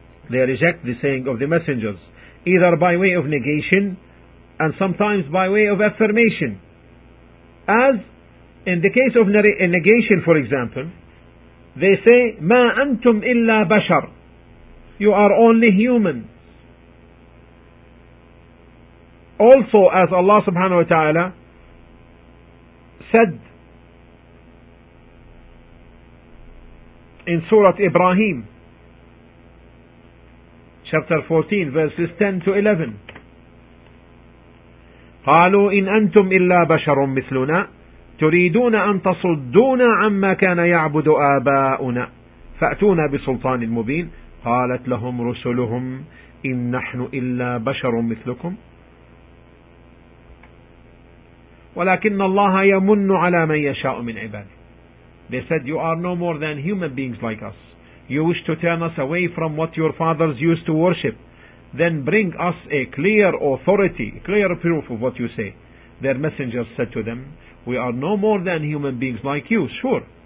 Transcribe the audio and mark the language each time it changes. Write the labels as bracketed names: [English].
[English] They reject the saying of the messengers, either by way of negation and sometimes by way of affirmation. As in the case of negation, for example, they say, [Arabic] مَا أَنْتُمْ إِلَّا بَشَرْ, [English] you are only humans. Also, as Allah subhanahu wa ta'ala said in Surah Ibrahim, chapter 14, verses 10 to 11, [Arabic] قالوا إن أنتم إلا بشر مثلنا تريدون أن تصدونا عما كان يعبد آباؤنا فأتونا بسلطان مبين. قالت لهم رسلهم إن نحن إلا بشر مثلكم ولكن الله يمن على من يشاء من عباده. [English] They said, you are no more than human beings like us. You wish to turn us away from what your fathers used to worship. Then bring us a clear authority, clear proof of what you say. Their messengers said to them, we are no more than human beings like you, sure.